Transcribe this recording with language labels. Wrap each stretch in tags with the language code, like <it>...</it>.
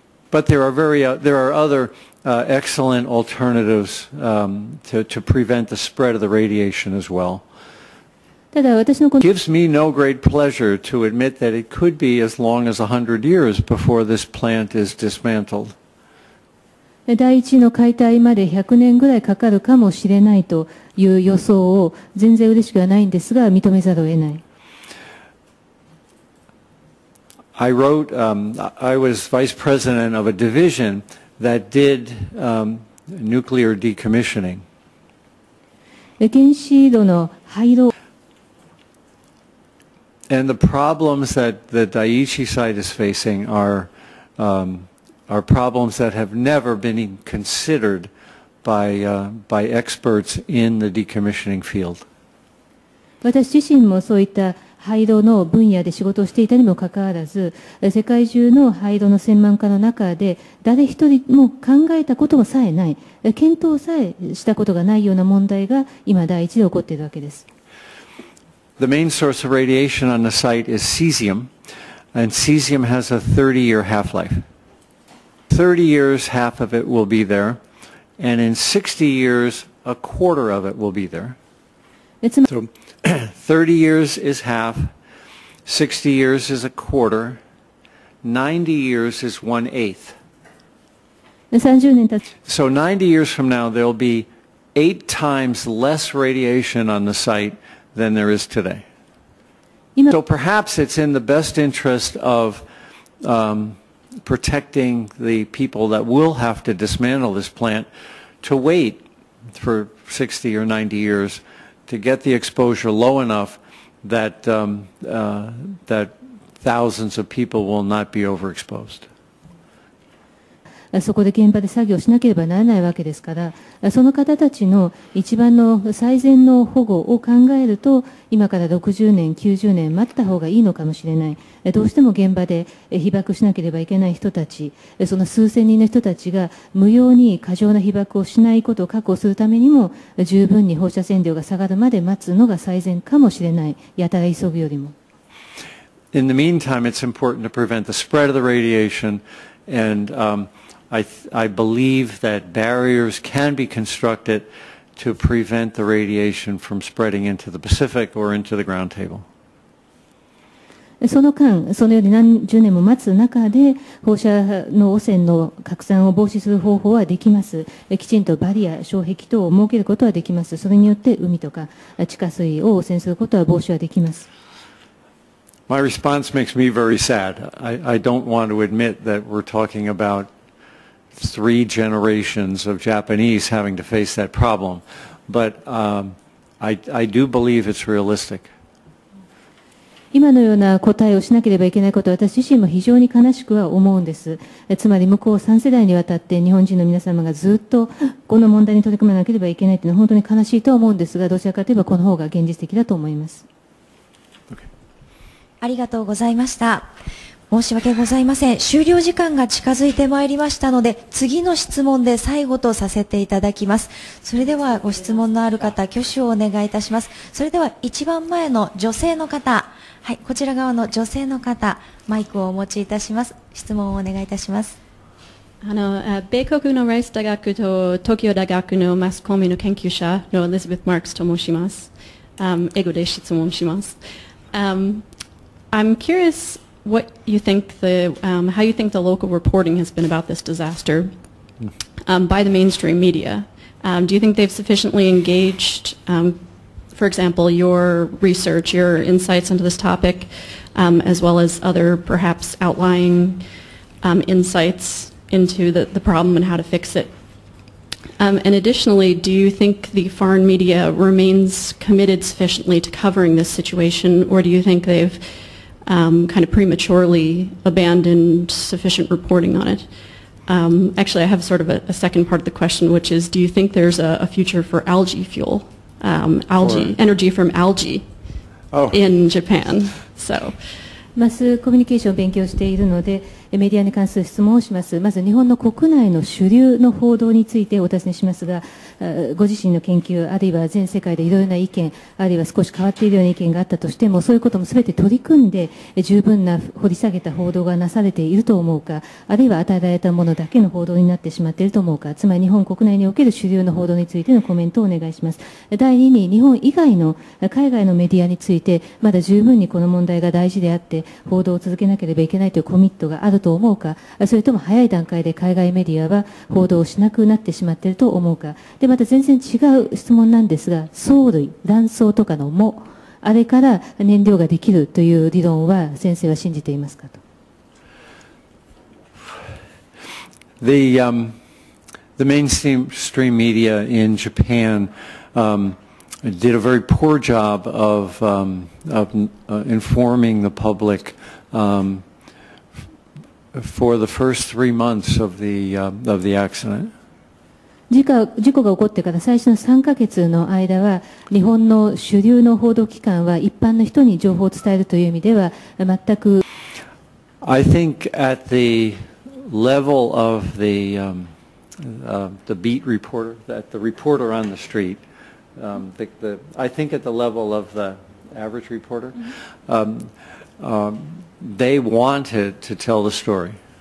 <en>But there are other excellent alternatives to prevent the spread of the radiation as well. Gives me no great pleasure to admit that it could be as long as 100 years before this plant is dismantled.</en> <ja>第一の解体まで100年ぐらいかかるかもしれないという予想を全然嬉しくはないんですが、認めざるを得ない。</ja> <en>I wrote, I was vice president of a division that did nuclear decommissioning.</en> <ja>原子炉の廃炉。</ja> <en>And the problems that the Daiichi site is facing are problems that have never been considered by experts in the decommissioning field.</en> <ja>私自身もそういった廃炉の分野で仕事をしていたにもかかわらず、世界中の廃炉の専門家の中で誰一人も考えたこともさえない、検討さえしたことがないような問題が今第一で起こっているわけです。</ja> <en>The main source of radiation on the site is cesium, and cesium has a 30-year half-life. 30 years, half of it will be there, and in 60 years, a quarter of it will be there. So 30 years is half, 60 years is a quarter, 90 years is one-eighth. So 90 years from now, there will be 8 times less radiation on the site than there is today. So perhaps it's in the best interest of protecting the people that will have to dismantle this plant to wait for 60 or 90 years to get the exposure low enough that that thousands of people will not be overexposed.</en> <ja>そこで現場で作業しなければならないわけですから、その方たちの一番の最善の保護を考えると、今から60年、90年待った方がいいのかもしれない、どうしても現場で被爆しなければいけない人たち、その数千人の人たちが無用に過剰な被爆をしないことを確保するためにも、十分に放射線量が下がるまで待つのが最善かもしれない、やたら急ぐよりも。</ja> <en>In the meantime, it's important to prevent the spread of the radiation and, I believe that barriers can be constructed to prevent the radiation from spreading into the Pacific or into the ground table.</en> <ja>その間、そのように何十年も待つ中で、放射の汚染の拡散を防止する方法はできます。きちんとバリア、障壁等を設けることはできます。それによって海とか地下水を汚染することは防止はできます。</ja> <en>My response makes me very sad. I don't want to admit that we're talking about three generations of Japanese having to face that problem. But I do believe it's realistic.</en> <ja>今のような答えをしなければいけないことは私自身も非常に悲しくは思うんです。つまり向こう3世代にわたって日本人の皆様がずっとこの問題に取り組まなければいけないというのは本当に悲しいと思うんですが、どちらかといえばこの方が現実的だと思います。ありがとうございました。申し訳ございません。終了時間が近づいてまいりましたので、次の質問で最後とさせていただきます。それではご質問のある方、挙手をお願いいたします。それでは一番前の女性の方、はい、こちら側の女性の方、マイクをお持ちいたします。質問をお願いいたします。米国のライス大学と東京大学のマスコミの研究者のエリザベス・マークスと申します。英語で質問します。</ja> <en>I'm curious what you think how you think the local reporting has been about this disaster by the mainstream media. Do you think they've sufficiently engaged, for example, your research, your insights into this topic, as well as other perhaps outlying insights into the problem and how to fix it? And additionally, do you think the foreign media remains committed sufficiently to covering this situation, or do you think they've kind of prematurely abandoned sufficient reporting on it? Actually, I have sort of a second part of the question, which is, do you think there's a future for algae fuel, energy from algae in Japan? So.</en> <ja>マスコミュニケーションを勉強しているので、メディアに関する質問をします。まず日本の国内の主流の報道についてお尋ねしますが、ご自身の研究、あるいは全世界でいろいろな意見、あるいは少し変わっているような意見があったとしても、そういうこともすべて取り組んで、十分な掘り下げた報道がなされていると思うか、あるいは与えられたものだけの報道になってしまっていると思うか、つまり日本国内における主流の報道についてのコメントをお願いします。第二に、日本以外の海外のメディアについて、まだ十分にこの問題が大事であって、報道を続けなければいけないというコミットがあると思うか、それとも早い段階で海外メディアは報道をしなくなってしまっていると思うか、でまた全然違う質問なんですが、藻類、卵巣とかの藻、あれから燃料ができるという理論は先生は信じていますかと。</ja> <en>The mainstream media in Japan, did a very poor job of informing the public for the first three months of the accident.</en> <ja>事故が起こってから最初の3ヶ月の間は、日本の主流の報道機関は一般の人に情報を伝えるという意味では全く。</ja> <en>I think at the level of the beat reporter, that the reporter on the street. I think at the level of the average reporter, they wanted to tell the story.</en>